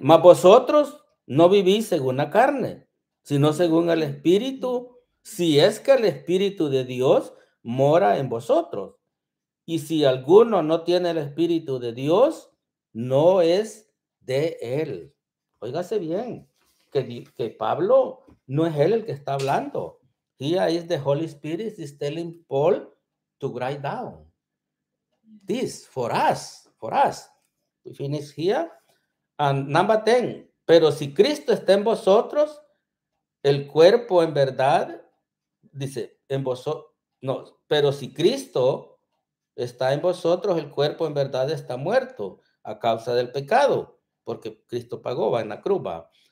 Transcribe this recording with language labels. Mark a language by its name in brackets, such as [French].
[Spanish] Mas vosotros no vivís según la carne, sino según el Espíritu, si es que el Espíritu de Dios mora en vosotros. Y si alguno no tiene el Espíritu de Dios, no es de él. Óigase bien, que Pablo no es él el que está hablando. [English] Here is the Holy Spirit is telling Paul to write down this for us. We finish here. And number 10. [Spanish] Pero si Cristo está en vosotros, el cuerpo en verdad, dice, en vosotros, no, pero si Cristo está en vosotros, el cuerpo en verdad está muerto a causa del pecado, porque Cristo pagó, va en la cruz, va.